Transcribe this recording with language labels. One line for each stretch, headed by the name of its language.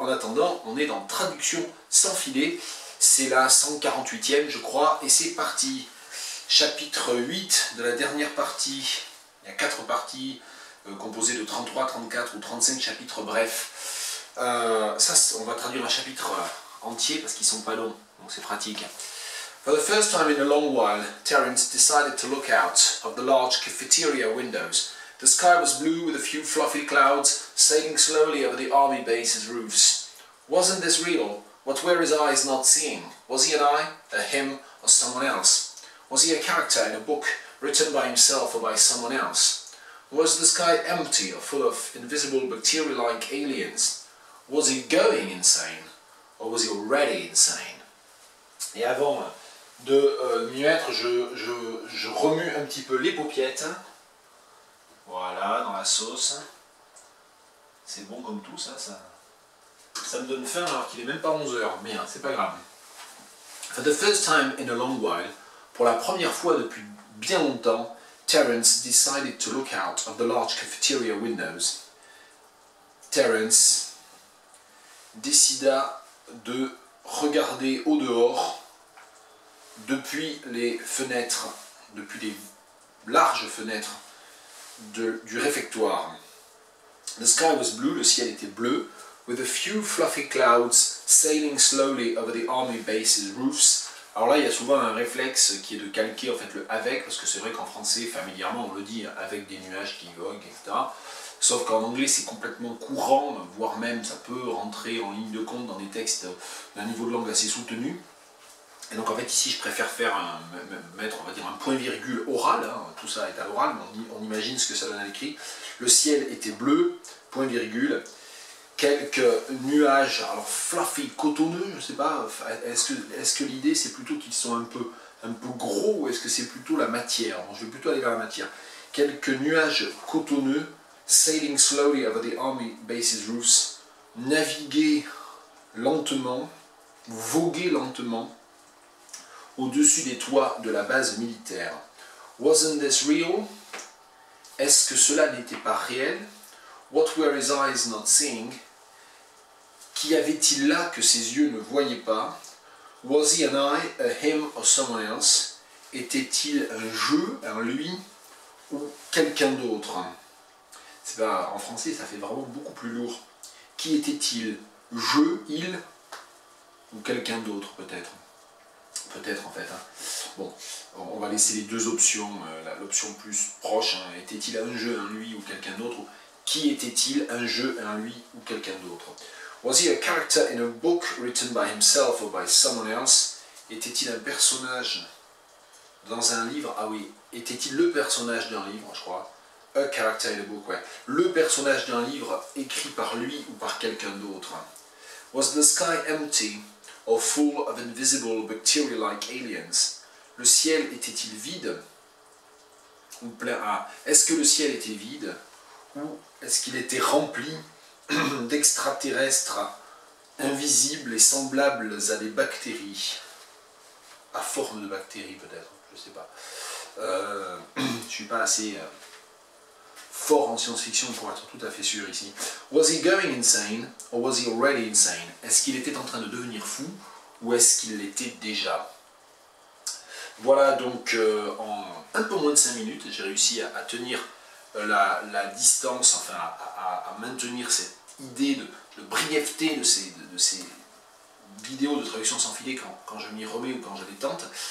French: En attendant, on est dans Traduction sans filet. C'est la 148e, je crois, et c'est parti. Chapitre 8 de la dernière partie. Il y a 4 parties. Composé de 33, 34 ou 35 chapitres, bref. Ça, on va traduire un chapitre entier parce qu'ils sont pas longs, donc c'est pratique.
English: For the first time in a long while, Terence decided to look out of the large cafeteria windows. The sky was blue with a few fluffy clouds sailing slowly over the army base's roofs. Wasn't this real? What were his eyes not seeing? Was he an I, a him, or someone else? Was he a character in a book written by himself or by someone else? Was the sky empty or full of invisible bacteria-like aliens? Was he going insane? Or was he already insane?
French: Et avant de m'y mettre, je remue un petit peu les paupiètes. Voilà, dans la sauce. C'est bon comme tout, ça. Ça me donne faim alors qu'il n'est même pas 11h. Mais c'est pas grave.
English: For the first time in a long while,
French: pour la première fois depuis bien longtemps,
English: Terence decided to look out of the large cafeteria windows.
French: Terence décida de regarder au dehors depuis les fenêtres, depuis les larges fenêtres du réfectoire.
English: The sky was blue,
French: le ciel était bleu,
English: with a few fluffy clouds sailing slowly over the army base's roofs.
French: Alors là, il y a souvent un réflexe qui est de calquer en fait le avec, parce que c'est vrai qu'en français, familièrement, on le dit avec des nuages qui voguent, etc. Sauf qu'en anglais, c'est complètement courant, voire même ça peut rentrer en ligne de compte dans des textes d'un niveau de langue assez soutenu. Et donc en fait, ici, je préfère mettre, on va dire, un point virgule oral. Tout ça est à l'oral, mais on imagine ce que ça donne à l'écrit. Le ciel était bleu, point virgule. Quelques nuages, alors fluffy, cotonneux, je ne sais pas, est-ce que l'idée c'est plutôt qu'ils sont un peu gros ou est-ce que c'est plutôt la matière? Bon, je vais plutôt aller vers la matière. Quelques nuages cotonneux,
English: sailing slowly over the army base's roofs,
French: naviguer lentement, voguer lentement, au-dessus des toits de la base militaire.
English: Wasn't this real?
French: Est-ce que cela n'était pas réel?
English: What were his eyes not seeing?
French: Qui avait-il là que ses yeux ne voyaient pas?
English: Was he an I, a him, or someone else?
French: Était-il un je, un lui, ou quelqu'un d'autre? C'est pas, en français, ça fait vraiment beaucoup plus lourd. Qui était-il? Je, il, ou quelqu'un d'autre, peut-être? Peut-être, en fait. Bon, on va laisser les deux options. L'option plus proche, était-il un je, un lui, ou quelqu'un d'autre? Qui était-il? Un je, un lui, ou quelqu'un d'autre?
English: Was he a character in a book written by himself or by someone else?
French: Était-il un personnage dans un livre? Ah oui, était-il le personnage d'un livre, je crois.
English: A character in a book,
French: ouais. Le personnage d'un livre écrit par lui ou par quelqu'un d'autre.
English: Was the sky empty or full of invisible bacteria-like aliens?
French: Le ciel était-il vide? Ou plein A. Est-ce que le ciel était vide? Ou est-ce qu'il était rempli d'extraterrestres invisibles et semblables à des bactéries, à forme de bactéries peut-être, je ne sais pas. Je ne suis pas assez fort en science-fiction pour être tout à fait sûr ici.
English: Was he going insane or was he already insane?
French: Est-ce qu'il était en train de devenir fou ou est-ce qu'il l'était déjà? Voilà, donc en un peu moins de 5 minutes, j'ai réussi à tenir la distance, enfin à maintenir cette idée de brièveté de ces vidéos de traduction sans filet quand je m'y remets ou quand je les tente.